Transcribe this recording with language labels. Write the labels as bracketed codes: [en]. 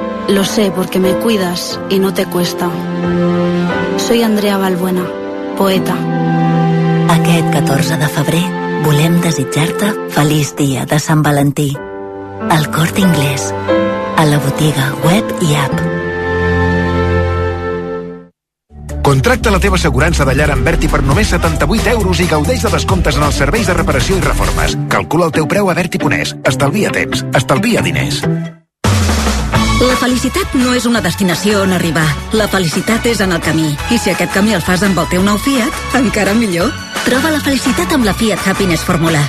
[es] Lo sé porque me cuidas y no te cuesta. Soy Andrea Valbuena, poeta. [ca] Aquest 14 de febrer volem desitjar-te feliç dia de Sant Valentí. Al Corte Inglés, a la botiga web i app. Contracta la teva assegurança de llar amb Verti per només 78 euros i gaudeix de descomptes en els serveis de reparació i reformes. Calcula el teu preu a Verti.es. Estalvia temps, estalvia diners. La felicitat no és una destinació on arribar. La felicitat és en el camí. I si aquest camí el fas amb el teu nou Fiat, encara millor. Troba la felicitat amb la Fiat Happiness Formula.